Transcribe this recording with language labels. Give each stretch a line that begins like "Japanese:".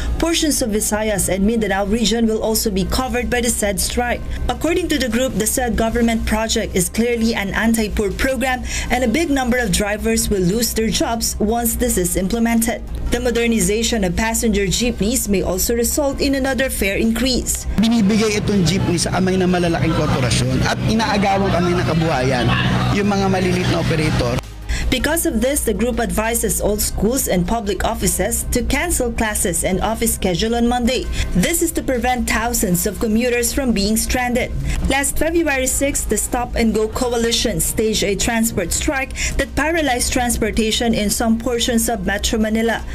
English: Portions of Visayas and Mindanao region will also be covered by the said strike. According to the group, the said government project is clearly an anti-poor program and a big number of drivers will lose their jobs once this is implemented. The modernization of passenger jeepneys may also result in another fare increase.
Filipino: Binibigay itong jeepney sa kamay ng malalaking korporasyon at inaagawang kami ng kabuhayan, yung mga maliliit na operator.
English: Because of this, the group advises all schools and public offices to cancel classes and office schedule on Monday. This is to prevent thousands of commuters from being stranded. Last February 6, the Stop and Go Coalition staged a transport strike that paralyzed transportation in some portions of Metro Manila.